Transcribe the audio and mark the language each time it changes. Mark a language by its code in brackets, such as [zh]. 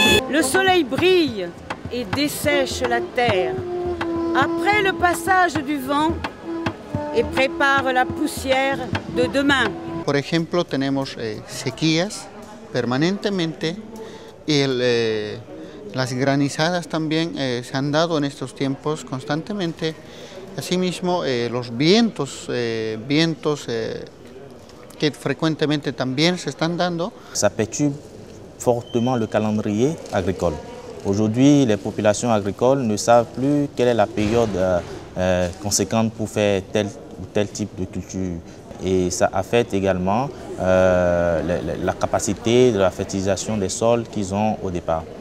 [fr] Le soleil brille et dessèche la terre. Après le passage du vent et prépare la poussière de demain. [es] Por ejemplo, tenemos sequías permanentemente y las granizadas también se han dado en estos tiempos constantemente. Asimismo, los vientos que frecuentemente también se están dando. [fr] Ça perturbe fortement le calendrier agricole. Aujourd'hui, les populations agricoles ne savent plus quelle est la période conséquente pour faire tel ou tel type de culture. Et ça affecte également la capacité de la fertilisation des sols qu'ils ont au départ.